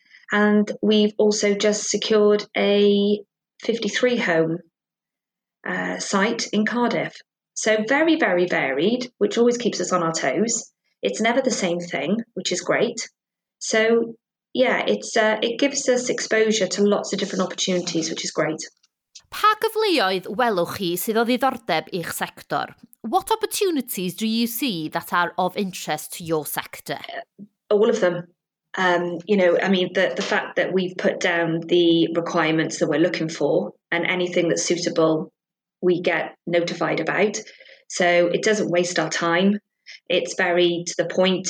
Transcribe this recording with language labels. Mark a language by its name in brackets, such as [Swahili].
[English] And we've also just secured a 53-home site in Cardiff. So very, very varied, which always keeps us on our toes. It's never the same thing, which is great. So, yeah, it gives us exposure to lots of different opportunities, which is great. [Welsh] Pa gyfleoedd welwch chi sydd o ddiddordeb i'ch sector? [English] What opportunities do you see that are of interest to your sector? All of them. The fact that we've put down the requirements that we're looking for and anything that's suitable, we get notified about. So it doesn't waste our time. It's very to the point.